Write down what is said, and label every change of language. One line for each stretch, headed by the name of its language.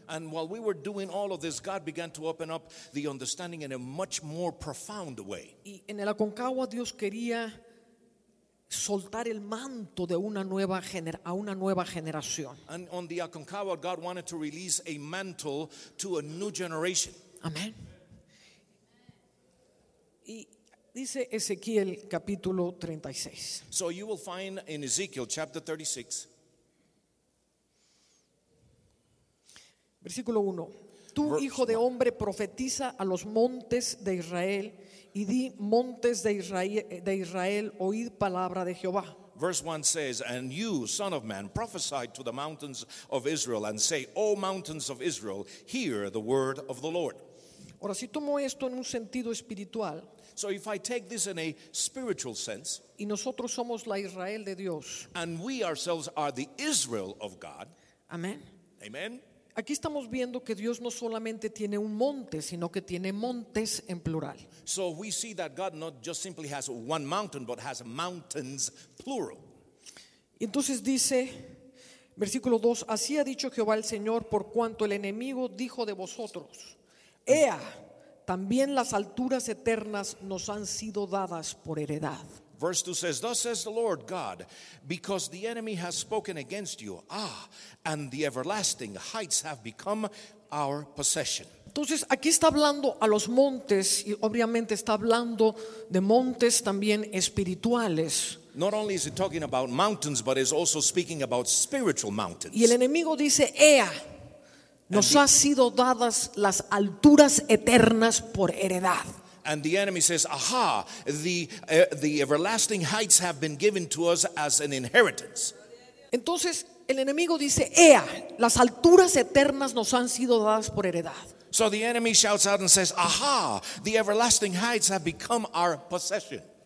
English: And while we were doing all of this, God began to open up the understanding in a much more profound way.
Spanish: Y en el Aconcagua Dios quería soltar el manto de una nueva a una nueva generación.
English: And on the Aconcagua, God wanted to release a mantle to a new generation.
Spanish: Amén. Y dice Ezequiel capítulo 36.
English: So you will find in Ezekiel chapter 36.
Spanish: Versículo 1. Tú, hijo de hombre, profetiza a los montes de Israel y di, montes de Israel, oíd palabra de Jehová.
English: Verse 1 says, and you, son of man, prophesy to the mountains of Israel and say, O mountains of Israel, hear the word of the Lord.
Spanish: Ahora, si tomo esto en un sentido espiritual,
English: so if I take this in a spiritual sense,
Spanish: y nosotros somos la Israel de Dios,
English: and we ourselves are the Israel of God,
Spanish: amen.
English: Amen.
Spanish: Aquí estamos viendo que Dios no solamente tiene un monte, sino que tiene montes en plural.
English: So we see that God not just simply has one mountain, but has mountains plural.
Spanish: Entonces dice, versículo 2, así ha dicho Jehová el Señor, por cuanto el enemigo dijo de vosotros, ea, también las alturas eternas nos han sido dadas por heredad.
English: Verse 2 says, thus says the Lord God, because the enemy has spoken against you, and the everlasting heights have become our possession.
Spanish: Entonces aquí está hablando a los montes y obviamente está hablando de montes también espirituales.
English: Not only is it talking about mountains, but it's also speaking about spiritual mountains.
Spanish: Y el enemigo dice, ea, nos ha sido dadas las alturas eternas por heredad.
English: And the enemy says, aha, the everlasting heights have been given to us as an inheritance.
Spanish: Entonces, el enemigo dice, ea, las alturas eternas nos han sido dadas por heredad.
English: So the enemy shouts out and says, aha, the everlasting heights have become our possession.